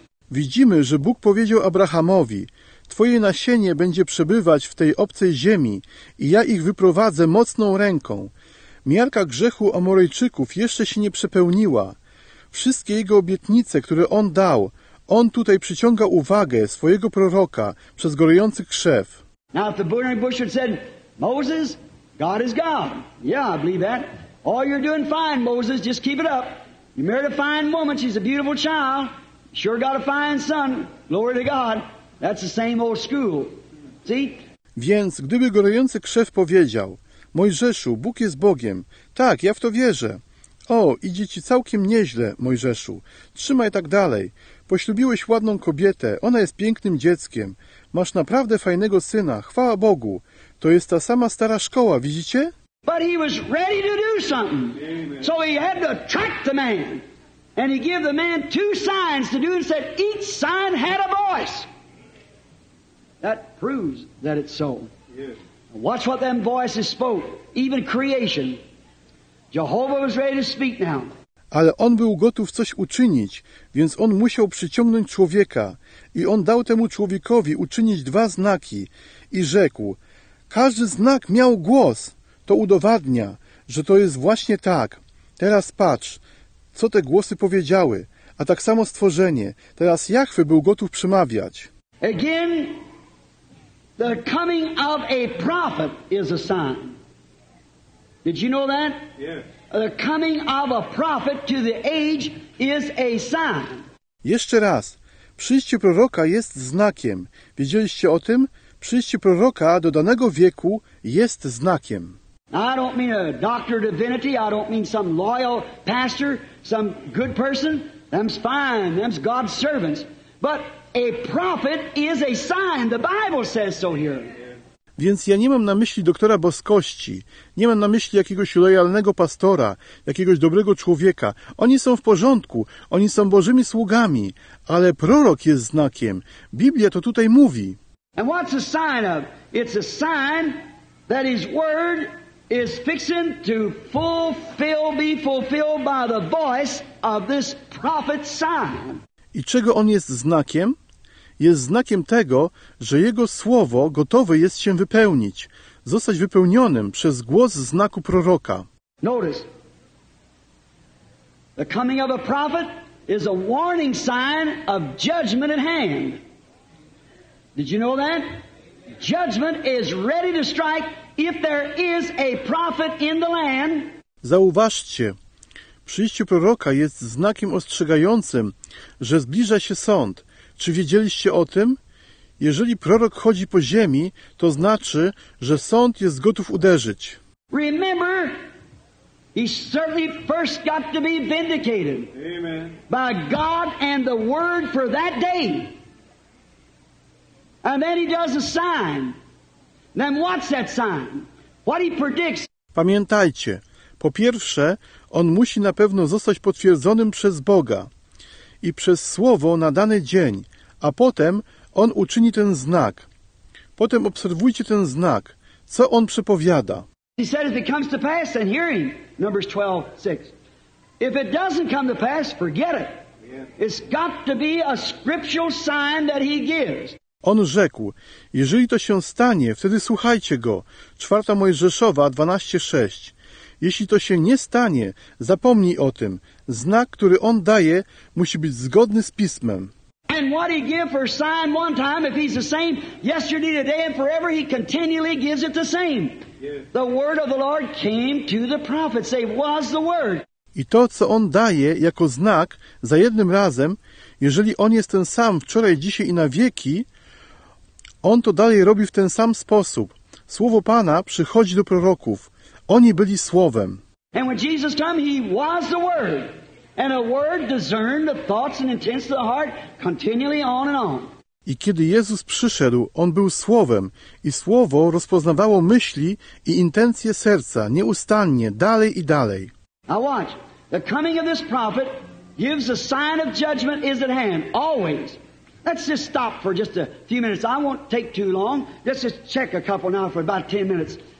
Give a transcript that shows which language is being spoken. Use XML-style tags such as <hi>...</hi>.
<pl>Widzimy, że Bóg powiedział Abrahamowi, Twoje nasienie będzie przebywać w tej obcej ziemi i ja ich wyprowadzę mocną ręką. Miarka grzechu Amorejczyków jeszcze się nie przepełniła. Wszystkie jego obietnice, które on dał, on tutaj przyciąga uwagę swojego proroka przez gorący krzew.</pl> <en>Now if the burning bush had said, Moses, God is God. Yeah, I believe that. All you're doing fine, Moses, just keep it up. You married a fine woman, she's a beautiful child, sure got a fine son, glory to God, that's the same old school, see?</en> <pl>Więc gdyby gorący krzew powiedział, Mojżeszu, Bóg jest Bogiem, tak, ja w to wierzę. O, idzie ci całkiem nieźle, Mojżeszu, trzymaj tak dalej, Poślubiłeś ładną kobietę, ona jest pięknym dzieckiem. Masz naprawdę fajnego syna, chwała Bogu. To jest ta sama stara szkoła, widzicie?</pl> <en>But he was ready to do something. So he had to attract the man. And he gave the man two signs to do and said, each sign had a voice. That proves that it's so. Yeah. Watch what them voices spoke, even creation. Jehovah was ready to speak now.</en> <pl>Ale on był gotów coś uczynić, więc on musiał przyciągnąć człowieka i on dał temu człowiekowi uczynić dwa znaki i rzekł, każdy znak miał głos. To udowadnia, że to jest właśnie tak. Teraz patrz, co te głosy powiedziały, a tak samo stworzenie. Teraz Jahwe był gotów przemawiać.</pl> <en>Again, the coming of a prophet is a sign. Did you know that? Yeah. The coming of a prophet to the age is a sign.</en> <pl>Jeszcze raz. Przyjście proroka jest znakiem. Wiedzieliście o tym? Przyjście proroka do danego wieku jest znakiem.</pl> <en>I don't mean a doctor of divinity. I don't mean some loyal pastor, some good person. Them's fine. Them's God's servants. But a prophet is a sign. The Bible says so here.</en> <pl>Więc ja nie mam na myśli doktora boskości, nie mam na myśli jakiegoś lojalnego pastora, jakiegoś dobrego człowieka. Oni są w porządku, oni są Bożymi sługami, ale prorok jest znakiem. Biblia to tutaj mówi.</pl> <en>And what's a sign of? It's a sign that his word is fixing to fulfill, be fulfilled by the voice of this prophet sign.</en> <pl>I czego on jest znakiem? Jest znakiem tego, że Jego Słowo gotowe jest się wypełnić, zostać wypełnionym przez głos znaku proroka.</pl> <en>Notice, the coming of a prophet is a warning sign of judgment at hand. Did you know that? Judgment is ready to strike if there is a prophet in the land.</en> <pl>Zauważcie, przyjście proroka jest znakiem ostrzegającym, że zbliża się sąd. Czy wiedzieliście o tym? Jeżeli prorok chodzi po ziemi, to znaczy, że sąd jest gotów uderzyć.</pl> <en>Remember, he certainly first got to be vindicated. Amen. By God and the word for that day. And then he does a sign. Then what's that sign? What he predicts.</en> <pl>Pamiętajcie, po pierwsze, on musi na pewno zostać potwierdzonym przez Boga i przez słowo na dany dzień, a potem on uczyni ten znak. Potem obserwujcie ten znak. Co on przepowiada?</pl> <en>He said, if it comes to pass, then hear him. Numbers 12:6. If it doesn't come to pass, forget it. It's got to be a scriptural sign that he gives.</en> <pl>On rzekł, jeżeli to się stanie, wtedy słuchajcie go. 4 Mojżeszowa 12:6. Jeśli to się nie stanie, zapomnij o tym. Znak, który on daje, musi być zgodny z Pismem.</pl> <en>And what he gave for a sign one time, if he's the same yesterday, today, and forever, he continually gives it the same. Yeah. The word of the Lord came to the prophets. They was the word.</en> <pl>I to, co on daje jako znak za jednym razem, jeżeli on jest ten sam wczoraj, dzisiaj i na wieki, on to dalej robi w ten sam sposób. Słowo Pana przychodzi do proroków. Oni byli Słowem.</pl> <en>And when Jesus came, he was the word. And a word discerned the thoughts and intents of the heart continually on and on.</en> <pl>I kiedy Jezus przyszedł, on był Słowem i Słowo rozpoznawało myśli i intencje serca nieustannie, dalej i dalej.</pl> <en>Now watch. The coming of this prophet gives a sign of judgment is at hand, always. Let's just stop for just a few minutes. I won't take too long. Let's just check a couple now for about 10 minutes.</en>